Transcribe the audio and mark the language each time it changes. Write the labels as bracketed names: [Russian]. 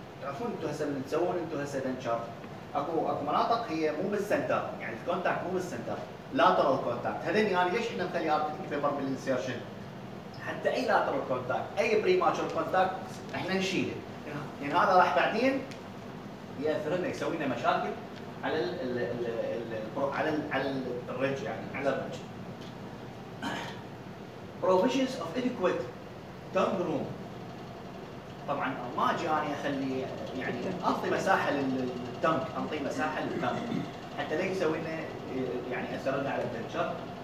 [Arabic] تعرفون انتم هسه من تسوون انتم هسه دنشر اكو مناطق هي مو بالسنتر يعني الكونتاكت مو بالسنتر lateral contact هذني انا ليش احنا نخلي ارتيك بيبر بالانسيرشن حتى اي lateral contact اي بريماتشر contact احنا نشيله لان هذا راح بعدين ياثر لنا يسوي لنا مشاكل على الـ الـ الـ الـ الـ على الـ على الرج يعني على الرج. [English] Provisions of adequate tongue room. [Arabic] طبعا ما اجي اني اخلي يعني اعطي مساحه للتنك اعطي مساحه للتنك حتى لا يسوي لنا يعني اثر لنا على الدنشر.